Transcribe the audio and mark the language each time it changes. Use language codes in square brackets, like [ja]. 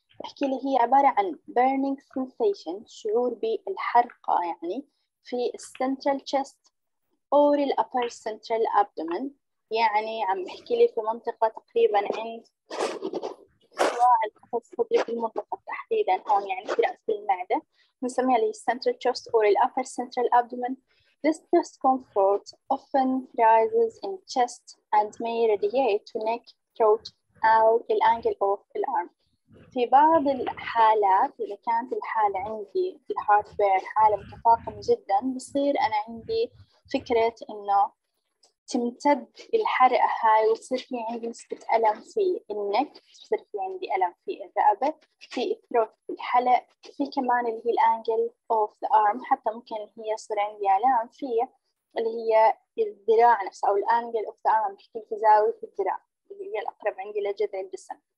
[ar] بحكي لي هي عبارة عن [en] burning sensation، [ar] شعور بالحرقة يعني في [en] central chest or the upper central abdomen، [ar] يعني عم بحكي لي في منطقة تقريبا عند صراع القفص الصدري في المنطقة تحديدا هون يعني في رأس المعدة، نسميها اللي هي central chest or the upper central abdomen. [en] This discomfort often rises in chest and may radiate to neck, throat, or the angle of the arm. [ar] في بعض الحالات إذا كانت الحالة عندي في الهارت بير حالة متفاقمة جدا، بصير أنا عندي فكرة إنه تمتد الحرقة هاي وتصير في عندي نسبة ألم في النك، تصير في عندي ألم في الرقبة، في الثروت، في الحلق، في كمان اللي هي الأنجل أوف ذا أرم، حتى ممكن هي يصير عندي آلام في اللي هي الذراع نفسه أو الأنجل أوف ذا أرم، بحكي في زاوية الذراع اللي هي الأقرب عندي لجذع الجسم.